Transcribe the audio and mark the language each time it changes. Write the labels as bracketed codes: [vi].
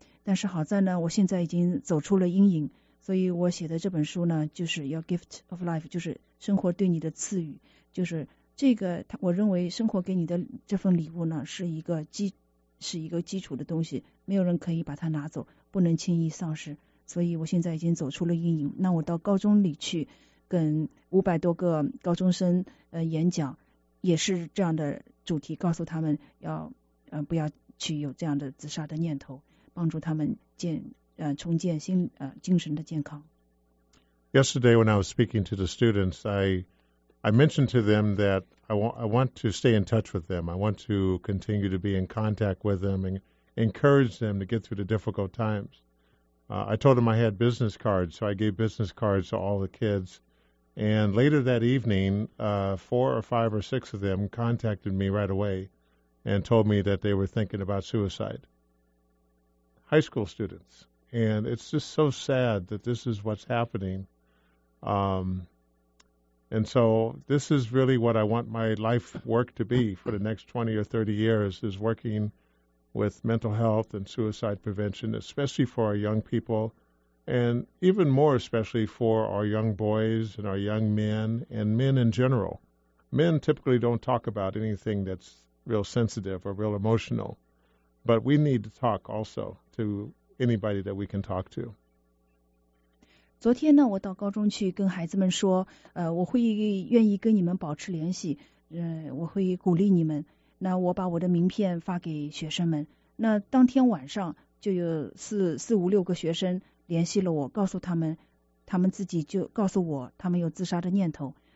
[zh] 但是好在呢我现在已经走出了阴影，所以我写的这本书呢就是 Your Gift of Life， 就是生活对你的赐予，就是这个我认为生活给你的这份礼物呢是一个基础的东西，没有人可以把它拿走，不能轻易丧失，所以我现在已经走出了阴影，那我到高中里去跟500多个高中生演讲，也是这样的主题，告诉他们要不要去有这样的自杀的念头，帮助他们重建心精神的健康。 [en] Yesterday when I was speaking to the students, I mentioned to them that I want to stay in touch with them. I want to continue to be in contact with them and encourage them to get through the difficult times. I told them I had business cards, so I gave business cards to all the kids. And later that evening, 4 or 5 or 6 of them contacted me right away and told me that they were thinking about suicide. High school students. And it's just so sad that this is what's happening. And so this is really what I want my life work to be for the next 20 or 30 years, is working with mental health and suicide prevention, especially for our young people, and even more especially for our young boys and our young men and men in general. Men typically don't talk about anything that's real sensitive or real emotional, but we need to talk also to anybody that we can talk to. [zh] 昨天呢，我到高中去跟孩子们说，我会愿意跟你们保持联系，我会鼓励你们。那我把我的名片发给学生们。那当天晚上就有四五六个学生联系了我，告诉他们，他们自己就告诉我，他们有自杀的念头。